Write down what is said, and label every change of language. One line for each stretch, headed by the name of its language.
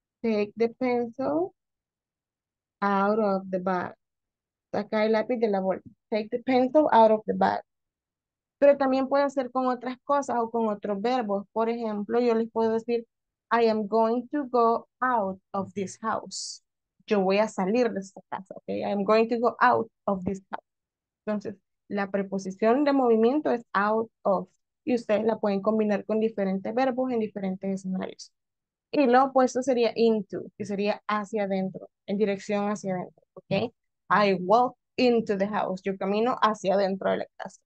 English: Take the pencil out of the bag.
Spanish: Saca el lápiz de la bolsa.
English: Take the pencil out of the bag.
Spanish: Pero también puede hacer con otras cosas o con otros verbos. Por ejemplo, yo les puedo decir,
English: I am going to go out of this house.
Spanish: Yo voy a salir de esta casa, ¿ok?
English: I am going to go out of this house.
Spanish: Entonces, la preposición de movimiento es out of. Y ustedes la pueden combinar con diferentes verbos en diferentes escenarios. Y lo opuesto sería into, que sería hacia adentro, en dirección hacia adentro, ¿ok?
English: I walk into the house.
Spanish: Yo camino hacia adentro de la casa.